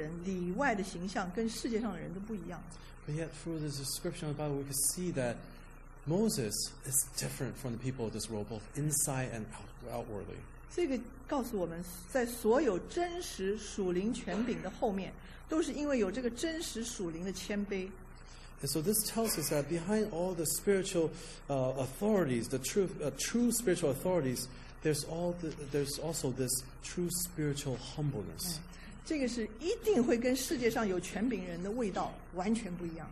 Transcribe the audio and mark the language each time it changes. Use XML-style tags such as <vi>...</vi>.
<zh>但是他在圣经里面显出来跟神为他做见证，就是说他这个人里外的形象跟世界上的人都不一样。</zh> <en>But yet, through this description of the Bible, we can see that Moses is different from the people of this world, both inside and outwardly.</en> <zh>这个告诉我们，在所有真实属灵权柄的后面，都是因为有这个真实属灵的谦卑。</zh> <en>And so this tells us that behind all the spiritual authorities, the true spiritual authorities, there's also this true spiritual humbleness.</en> <zh>这个是一定会跟世界上有权柄人的味道完全不一样。</zh>